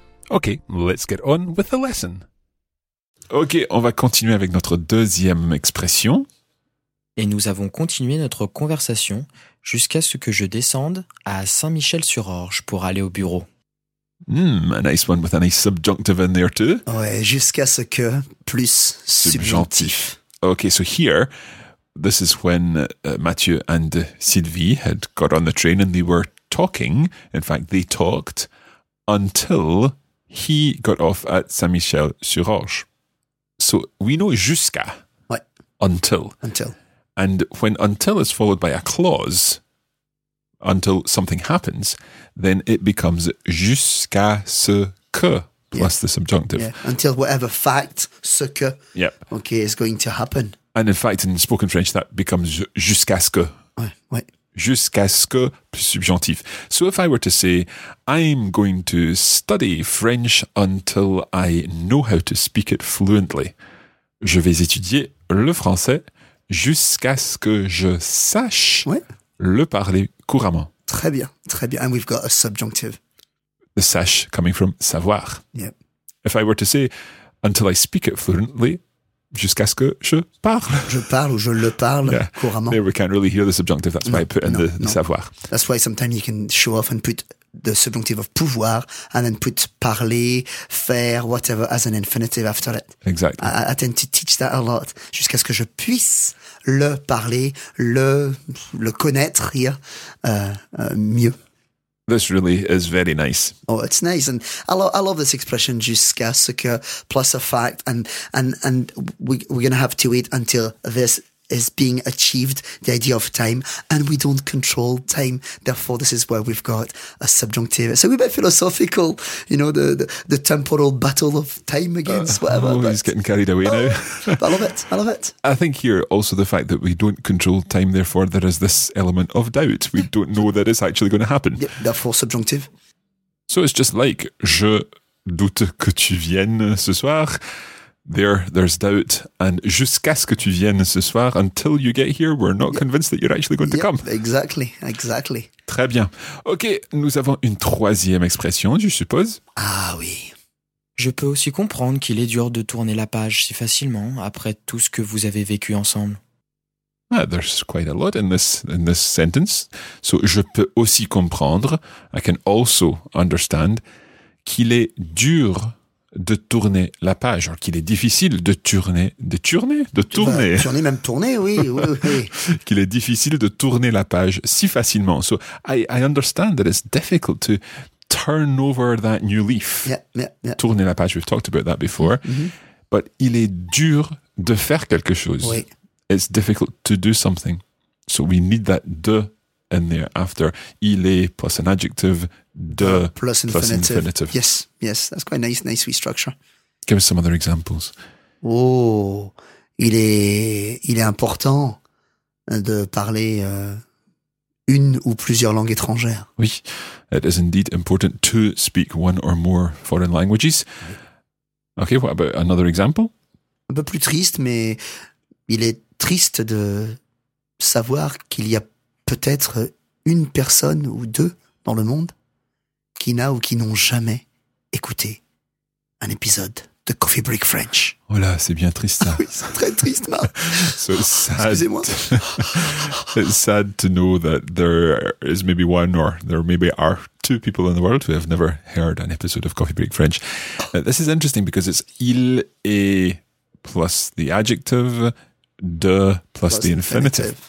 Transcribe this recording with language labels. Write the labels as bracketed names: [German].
[English] Okay, let's get on with the lesson. [French] Okay, on va continuer avec notre deuxième expression. Et nous avons continué notre conversation jusqu'à ce que je descende à Saint-Michel-sur-Orge pour aller au bureau. [English] A nice one with a nice subjunctive in there too. [French] Ouais, jusqu'à ce que, plus subjonctif. [English] Okay, so here, this is when Mathieu and Sylvie had got on the train and they were talking. In fact, they talked until he got off at Saint-Michel-sur-Orge. So we know jusqu'à. [French] Ouais. [English] Until. Until. And when until is followed by a clause, until something happens, then it becomes [French] jusqu'à ce que, [English] plus the subjunctive. Yeah, until whatever fact, ce que, okay, is going to happen. And in fact, in spoken French, that becomes jusqu'à ce que. [French] Ouais. Jusqu'à ce que, plus subjonctif. [English] So if I were to say, I'm going to study French until I know how to speak it fluently. [French] Je vais étudier le français jusqu'à ce que je sache le parler couramment. Très bien, très bien. [English] And we've got a subjunctive. The sache coming from savoir. Yep. If I were to say, until I speak it fluently, [French] jusqu'à ce que je parle. Je parle ou je le parle couramment. [English] There we can't really hear the subjunctive, that's why I put in the savoir. That's why sometimes you can show off and put the subjunctive of pouvoir and then put parler, faire, whatever as an infinitive after it. Exactly. I tend to teach that a lot. [French] Jusqu'à ce que je puisse le parler, le connaître here, mieux. [English] This really is very nice. Oh, it's nice. And I love this expression, jusqu'à ce que, plus a fact. And we're going to have to wait until this is being achieved, the idea of time. And we don't control time. Therefore, this is where we've got a subjunctive. It's a wee bit philosophical, you know, the temporal battle of time against whatever. Oh, he's getting carried away now. I love it. I love it. I think here, also the fact that we don't control time, therefore, there is this element of doubt. We don't know that it's actually going to happen. Yep, therefore, subjunctive. So it's just like, [French] je doute que tu viennes ce soir. [English] There's doubt, and [French] jusqu'à ce que tu viennes ce soir, [English] until you get here, we're not convinced that you're actually going to come. Exactly. [French] Très bien. Ok, nous avons une troisième expression, je suppose. Ah oui. Je peux aussi comprendre qu'il est dur de tourner la page si facilement après tout ce que vous avez vécu ensemble. [English] There's quite a lot in this sentence. [French] So, je peux aussi comprendre, [English] I can also understand, [French] qu'il est dur de tourner la page, or qu'il est difficile de tourner. Tourner, même tourner, oui. Qu'il est difficile de tourner la page si facilement. [English] So, I understand that it's difficult to turn over that new leaf. Yeah. [French] Tourner la page, [English] we've talked about that before. Mm-hmm. [French] But il est dur de faire quelque chose. Oui. [English] It's difficult to do something. So we need that de in there after il est plus an adjective, de plus infinitive. Yes, that's quite a nice sweet structure. Give us some other examples. [French] Oh, il est important de parler une ou plusieurs langues étrangères. [English] Oui, it is indeed important to speak one or more foreign languages. Okay, what about another example? [French] Un peu plus triste, mais il est triste de savoir qu'il y a peut-être une personne ou deux dans le monde qui n'a ou qui n'ont jamais écouté un épisode de Coffee Break French. Oh là, c'est bien triste, ça. Oui, c'est très triste, Marc. [English] So sad. [French] Excusez-moi. [English] It's sad to know that there is maybe one or there maybe are two people in the world who have never heard an episode of Coffee Break French. This is interesting because it's il et plus the adjective, de plus the infinitive.